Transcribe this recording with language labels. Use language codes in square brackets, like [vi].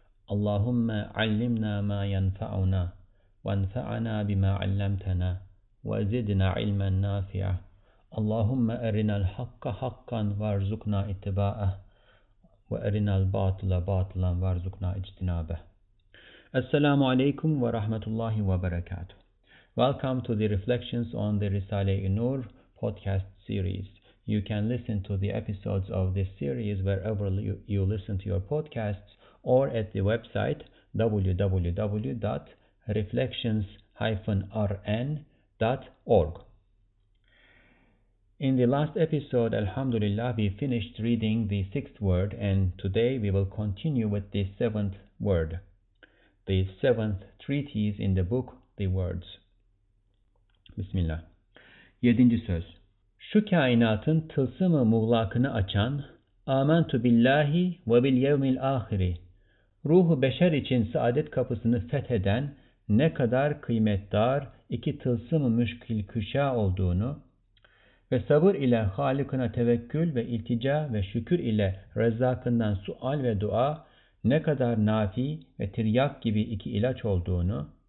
[ar] اللهم علمنا ما ينفعنا وانفعنا بما علمتنا وزدنا علما نافعا اللهم أرنا الحق حقا وارزقنا اتباعه وَأَرِنَا الْبَاطِلَ بَاطِلًا وَارْزُقْنَا اِجْتِنَابَهُ السلام عليكم ورحمة الله وبركاته. [en] Welcome to the Reflections on the Risale-i-Nur podcast series. You can listen to the episodes of this series wherever you listen to your podcasts or at the website www.reflections-rn.org. In the last episode, Alhamdulillah, we finished reading the sixth word, and today we will continue with the seventh word, the seventh treatise in the book, the words. [tr] Bismillah. Yedinci söz. Şu kainatın tılsımı muğlakını açan, [ar] amantu billahi ve bil yevmil ahiri, [tr] ruhu beşer için saadet kapısını fetheden ne kadar kıymetdar iki tılsımı müşkil küşa olduğunu ve sabır ile Halık'ına tevekkül ve iltica ve şükür ile Rezzak'ından sual ve dua ne kadar nafi ve tiryak gibi iki ilaç olduğunu